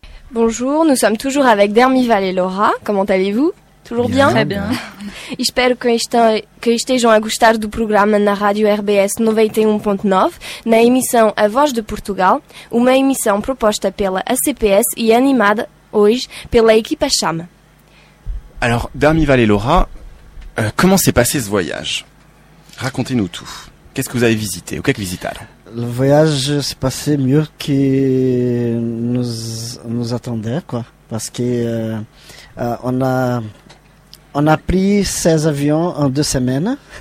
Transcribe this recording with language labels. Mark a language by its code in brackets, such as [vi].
[fr] Bonjour, nous sommes toujours avec Dermival et Laura. Comment allez-vous? Toujours bien? Très bien. [pt] Espero que estejam a gostar do programa na Rádio RBS 91.9, na emissão A Voz de Portugal, uma emissão proposta pela ACPS e animada hoje pela equipa Chama. [fr] Alors, Dermival et Laura, comment s'est passé ce voyage? Racontez-nous tout. Qu'est-ce que vous avez visité? [pt] O que é que visitaram? [fr] Le voyage s'est passé mieux que nous attendait, quoi. Parce que on a pris 16 avions en 2 semaines.